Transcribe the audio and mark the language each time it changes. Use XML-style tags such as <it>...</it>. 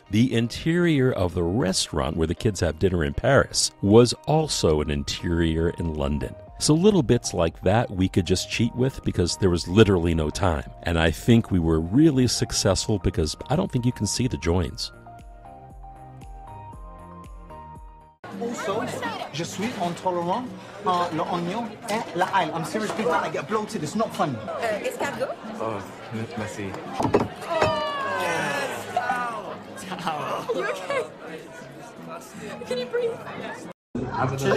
<en>The interior of the restaurant where the kids have dinner in Paris was also an interior in London. So little bits like that we could just cheat with because there was literally no time. And I think we were really successful because I don't think you can see the joins.</en> <fr>Also, je suis intolerant à l'oignon et la ail.</fr> <en>I'm serious, people, I get bloated, it's not fun.</en> <fr>Escargot? Oh, merci.</fr> <en>Yes! Are you okay? Can you breathe?</en>